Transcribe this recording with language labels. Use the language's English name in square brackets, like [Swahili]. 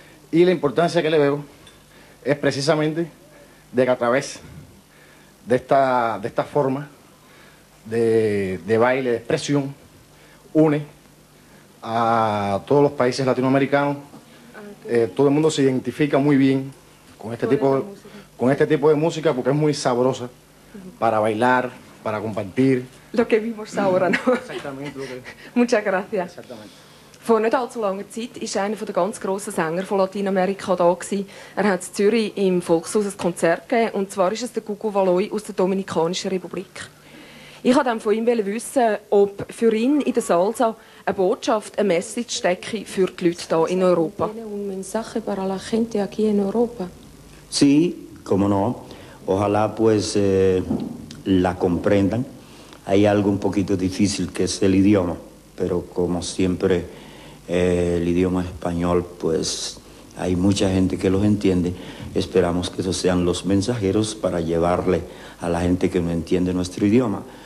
[Spanish] Y la importancia que le veo es precisamente de que a través de esta forma de baile, de expresión, une a todos los países latinoamericanos. Todo el mundo se identifica muy bien con este tipo de música porque es muy sabrosa para bailar, para compartir. Lo que vimos ahora, ¿no? Exactamente. Muchas gracias. Exactamente. [German] Vor nicht allzu langer Zeit war einer der ganz grossen Sänger von Lateinamerika da. Er hat in Zürich im Volkshaus ein Konzert gegeben, und zwar ist es der Gugu Valoi aus der Dominikanischen Republik. Ich wollte von ihm wissen, ob für ihn in der Salsa eine Botschaft, eine Message stecke für die Leute hier in Europa. Message für die Leute hier in Europa? [Spanish] Sí, como no. Ojalá pues la comprendan. Hay algo un poquito difícil, que es el idioma. Pero como siempre, el idioma español, pues hay mucha gente que los entiende. Esperamos que esos sean los mensajeros para llevarle a la gente que no entiende nuestro idioma.